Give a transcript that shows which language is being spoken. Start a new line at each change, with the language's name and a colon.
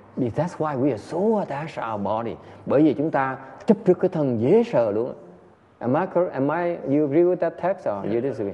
English: Because that's why we are so attached to our body.
Vietnamese: Bởi vì chúng ta chấp trước cái thân dễ sợ luôn.
English: You agree with that text or you disagree?